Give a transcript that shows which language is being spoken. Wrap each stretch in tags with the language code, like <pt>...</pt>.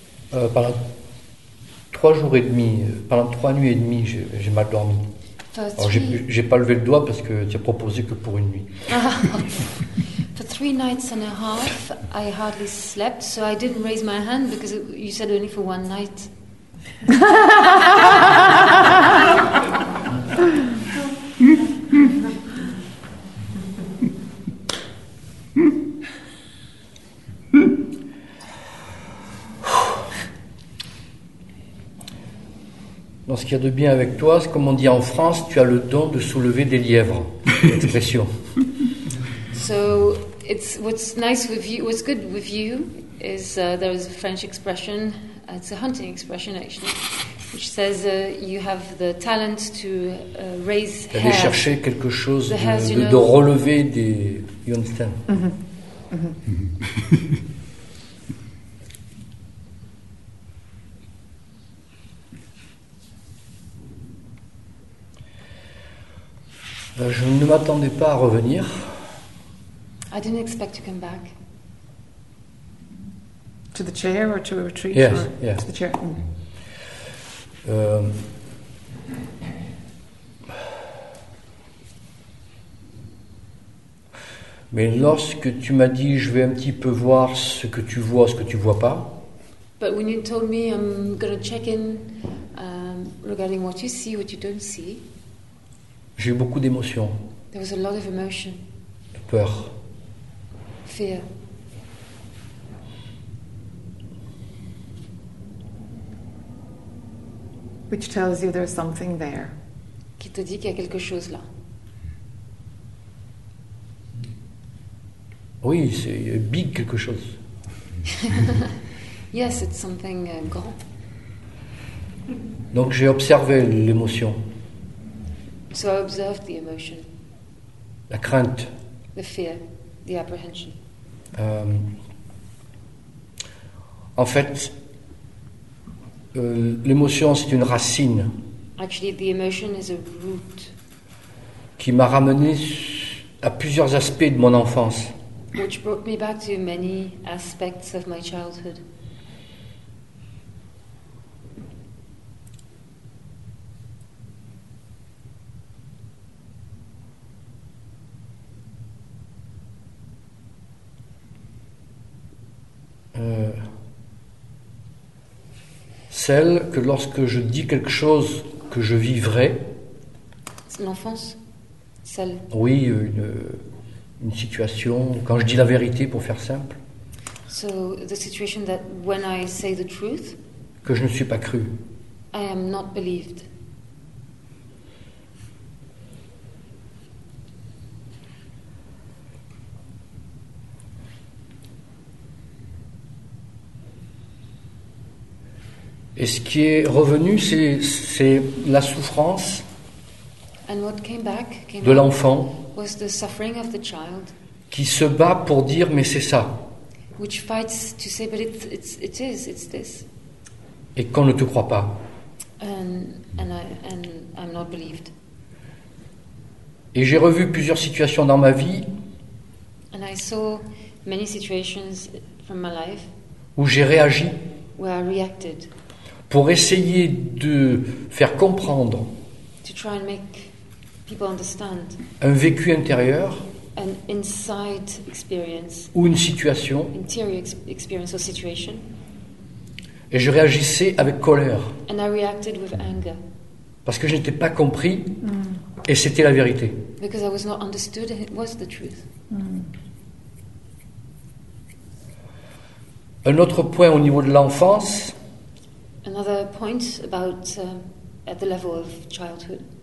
<fr>pendant 3 jours et demi, pendant 3 nuits et demie, j'ai mal dormi. Alors, j'ai pas levé le doigt parce que tu as proposé que pour une nuit.</fr> <en>For 3 nights and a half, I hardly slept, so I didn't raise my hand because you said only for 1 night.</en> <fr>Dans ce qu'il y a de bien avec toi, c'est comme on dit en France, tu as le don de soulever des lièvres. Expression.</fr> <en>So, it's what's nice with you, what's good with you, is there is a French expression, it's a hunting expression actually, which says you have the talent to raise hairs.</en> <fr>D'aller chercher quelque chose, de relever des...</fr> <en>You understand?</en> <fr>Mm-hmm. Mm-hmm. Je ne m'attendais pas à revenir.</fr> <en>I didn't expect to come back. To the chair or to a retreat? Yes, yes. Yeah. To the chair. Mm.</en> <fr>Mais lorsque tu m'as dit, je vais un petit peu voir ce que tu vois, ce que tu vois pas.</fr> <en>But when you told me I'm going to check in regarding what you see, what you don't see.</en> <fr>J'ai eu beaucoup d'émotions.</fr> <en>There was a lot of emotion.</en> <fr>De peur.</fr> <en>Fear. Which tells you there's something there.</en> <fr>Qui te dit qu'il y a quelque chose là. Oui, c'est big quelque chose.</fr> <en>Yes, it's something grand.</en> <fr>Donc j'ai observé l'émotion.</fr> <en>So I observed the emotion.</en> <fr>La crainte.</fr> <en>The fear, the apprehension.</en> <fr>En fait, l'émotion, c'est une racine.</fr> <en>Actually, the emotion is a root.</en> <fr>Qui m'a ramené à plusieurs aspects de mon enfance.</fr> <en>Which brought me back to many aspects of my childhood.</en> <fr>Celle que lorsque je dis quelque chose que je vivrai, c'est l'enfance, celle. Oui, une situation. Quand je dis la vérité, pour faire simple.</fr> <en>So the situation that when I say the truth.</en> <fr>Que je ne suis pas cru.</fr> <en>I am not believed.</en> <fr>Et ce qui est revenu, c'est la souffrance</fr> <en>came</en> <fr>de l'enfant</fr> <en>was the suffering of the child,</en> <fr>qui se bat pour dire mais c'est ça.</fr> <en>Which fights to say but it's this.</en> <fr>Et qu'on ne te croit pas.</fr> <en>And I'm not believed.</en> <fr>Et j'ai revu plusieurs situations dans ma vie.</fr> <en>And I saw many situations from my life,</en> <fr>où j'ai réagi.</fr> <en>Where I reacted.</en> <fr>Pour essayer de faire comprendre</fr> <en>to try and make people understand</en> <fr>un vécu intérieur</fr> <en>an inside experience,</en> <fr>ou une situation,</fr> <en>interior experience or situation,</en> <fr>et je réagissais avec colère</fr> <en>and I reacted with anger,</en> <fr>parce que je n'étais pas compris et c'était la vérité.</fr> <en>Because I was not understood, it was the truth.</en> <fr>Un autre point au niveau de l'enfance.</fr> <en>Another point about at the level of childhood.</en>